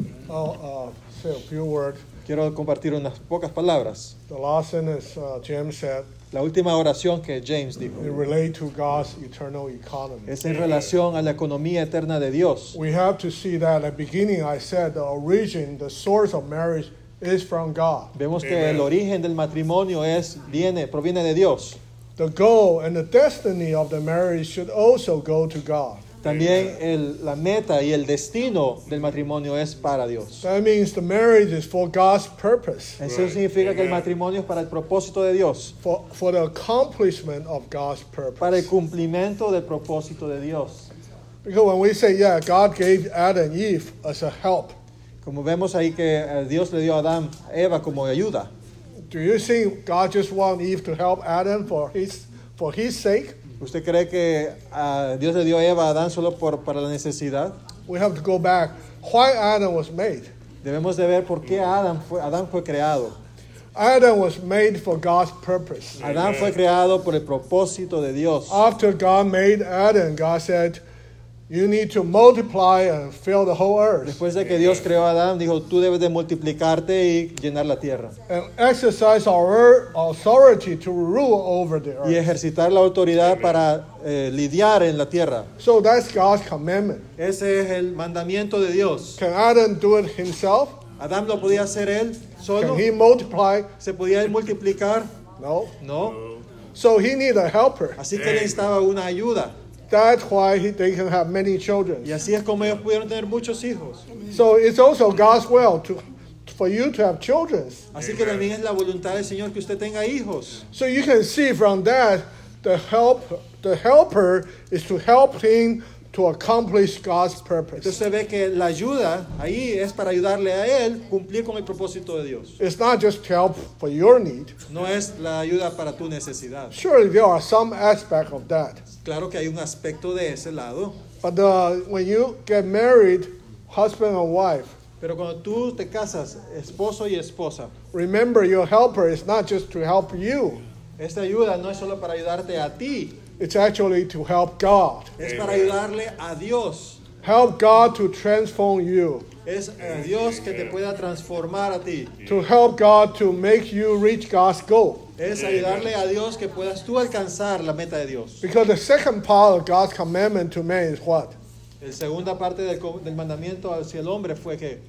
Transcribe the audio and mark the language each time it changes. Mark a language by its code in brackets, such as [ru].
[en] I'll say a few words. [es] Quiero compartir unas pocas palabras. [en] The lesson is Jim said. [es] La última oración que James dijo. [en] It relates to God's eternal economy. [es] Es en relación a la economía eterna de Dios. [en] We have to see that at the beginning I said the origin, the source of marriage is from God. [es] Vemos que el origen del matrimonio proviene de Dios. [en] The goal and the destiny of the marriage should also go to God. [es] También la meta y el destino del matrimonio es para Dios. [en] That means the marriage is for God's purpose. [es] Eso significa que el matrimonio es para el propósito de Dios. [en] For the accomplishment of God's purpose. [es] Para el cumplimiento del propósito de Dios. [en] Because when we say, yeah, God gave Adam and Eve as a help. [es] Como vemos ahí que Dios le dio a Adán a Eva como ayuda. [en] Do you think God just want Eve to help Adam for his sake? [es] ¿Usted cree que Dios le dio a Eva a Adán solo para la necesidad? [en] We have to go back. Why Adam was made? [es] Debemos de ver por qué Adán fue creado. [en] Adam was made for God's purpose. [es] Adán fue creado por el propósito de Dios. [en] After God made Adam, God said, you need to multiply and fill the whole earth. [es] Después de que Dios creó a Adán, dijo, tú debes de multiplicarte y llenar la tierra. [en] And exercise our authority to rule over the earth. [es] Y ejercitar la autoridad para lidiar en la tierra. [en] So that's God's commandment. [es] Ese es el mandamiento de Dios. [en] Can Adam do it himself? [es] ¿Adán lo podía hacer él solo? [en] Can he multiply? [es] ¿Se podía él multiplicar? [en] No. [es] No. [en] So he needed a helper. [es] Así que necesitaba una ayuda. [en] That's why they can have many children. [es] Y así es como ellos pudieron tener muchos hijos. [en] So it's also God's will for you to have children. [es] Así que también es la voluntad del Señor que usted tenga hijos. [en] So you can see from that the helper is to help him to accomplish God's purpose. [es] Entonces se ve que la ayuda ahí es para ayudarle a él cumplir con el propósito de Dios. [en] It's not just to help for your need. [es] No es la ayuda para tu necesidad. [en] Surely there are some aspect of that. [es] Claro que hay un aspecto de ese lado. [en] But when you get married, husband and wife. [es] Pero cuando tú te casas, esposo y esposa. [en] Remember, your helper is not just to help you. [es] Esta ayuda no es solo para ayudarte a ti. [en] It's actually to help God. [es] Es para ayudarle a Dios. [en] Help God to transform you. [es] Es a Dios que te pueda transformar a ti. [en] To help God to make you reach God's goal. [es] Es ayudarle a Dios que puedas tú alcanzar la meta de Dios. [en] Because the second part of God's commandment to man is what? [es] El segunda parte del mandamiento hacia el hombre fue que